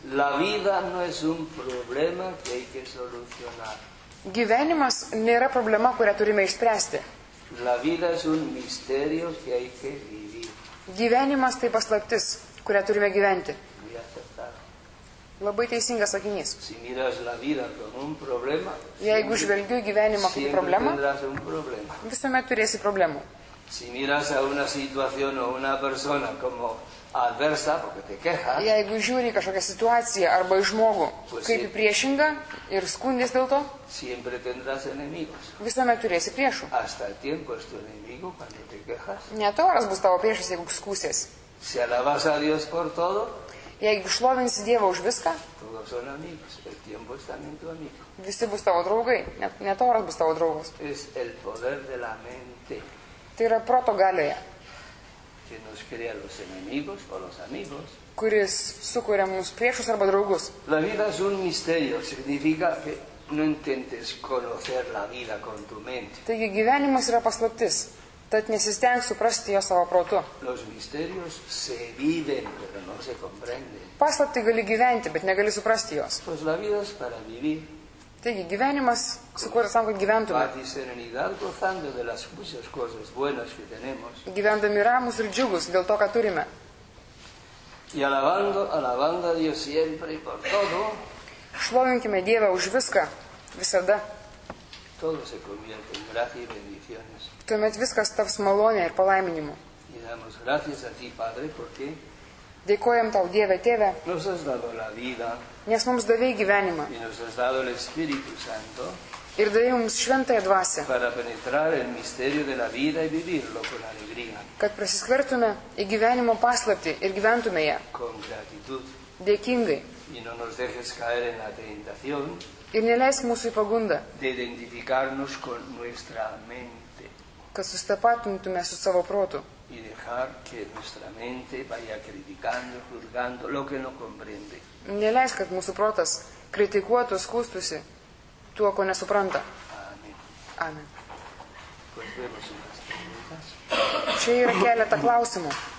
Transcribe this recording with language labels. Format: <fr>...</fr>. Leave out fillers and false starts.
<es>La vida no es un problema que hay que solucionar.</es> <lt>Gyvenimas nėra problema, kurią turime išspręsti.</lt> <es>La vida es un misterio que hay que vivir.</es> <lt>Gyvenimas tai paslaptis, kurią turime gyventi.</lt> <es>Muy acertado.</es> <lt>Labai teisingas sakinys.</lt> <es>Si miras la vida como un problema,</es> <lt>jeigu žvelgiu gyvenimą kaip problemą, problema. Visuomet turėsi problemų.</lt> <es>Si miras a una situación o una persona como adversa, porque te quejas.</es> <lt>Jeigu žiūri kažkokią situaciją arba žmogų,</lt> <es>pues</es> <lt>kaip priešinga ir skundis dėl to,</lt> <es>siempre tendrás enemigos.</es> <lt>Visuomet turėsi priešų.</lt> <es>Hasta el tiempo es tu enemigo cuando te quejas.</es> <lt>Net oras bus tavo priešas, jeigu skusies.</lt> <es>Si alabas a Dios por todo,</es> <lt>jeigu šlovinsi Dievą už viską,</lt> <es>todos son amigos. El tiempo es también tu amigo.</es> <lt>Visi bus tavo draugai, net oras bus tavo draugas.</lt> <es>Es el poder de la mente.</es> <lt>Tai yra proto galioje.</lt> <es>Nos crea los enemigos o los amigos.</es> <lt>Kuris sukuria mums priešus arba draugus.</lt> <es>La vida es un misterio, significa que no intentes conocer la vida con tu mente.</es> <lt>Taigi gyvenimas yra paslaptis, tad nesisteng suprasti jo savo protu.</lt> <es>Los misterios se viven, pero no se comprende.</es> <lt>Paslaptį gali gyventi, bet negali suprasti jos.</lt> <es>Pues la vida es para vivir.</es> <lt>Taigi gyvenimas sukūrė tam, kad gyventume. Gyvendami ramus ir džiugus dėl to, ką turime.</lt> <es>Alabando a Dios siempre y por todo.</es> <lt>Šlovinkime Dievą už viską, visada.</lt> <es>Todo se convierte en gracia y bendiciones.</es> <lt>Tuomet viskas taps malonė ir palaiminimu.</lt> <es>Y damos gracias a ti, Padre, porque</es> <lt>dėkojam tau, Dieve, Tėve.</lt> <es>Nos has dado la vida.</es> <lt>Nes mums davei gyvenimą.</lt> <es>Y nos has dado el Espíritu Santo.</es> <lt>Ir davei mums šventąją dvasę.</lt> <es>Para penetrar el misterio de la vida y vivirlo con alegría.</es> <lt>Kad prasiskvertume į gyvenimo paslaptį ir gyventume ją.</lt> <es>Con gratitud.</es> <lt>Dėkingai.</lt> <es>Y no nos dejes caer en la tentación.</es> <lt>Ir neleisk mūsų į pagundą.</lt> <es>De identificarnos con nuestra mente.</es> <lt>Kad sustapatintume su savo protu.</lt> <es>Y dejar que nuestra mente vaya criticando, juzgando lo que no comprende.</es> <lt>Neleisk, kad mūsų protas kritikuotų, skūstųsi tuo, ko nesupranta.</lt> <es>Amen.</es> <lt>Amen. Čia yra keletą klausimų.</lt>